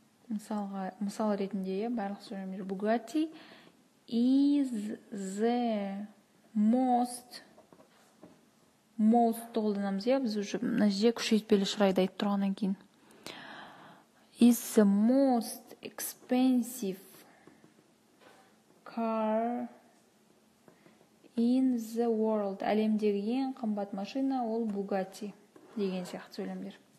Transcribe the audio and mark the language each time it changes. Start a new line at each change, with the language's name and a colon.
Kazakh: Мысал ретінде барлық сөйлемдер.
English: Bugatti is the most.
Kazakh: Most қолданамыз, е? Біз
Russian: уже
Kazakh: мына жерде күшейтпелі шырайды айтып тұрғаннан кейін.
English: Is the most expensive car in the world.
Kazakh: Әлемдегі ең қымбат машина ол Bugatti деген сияқты сөйлемдер.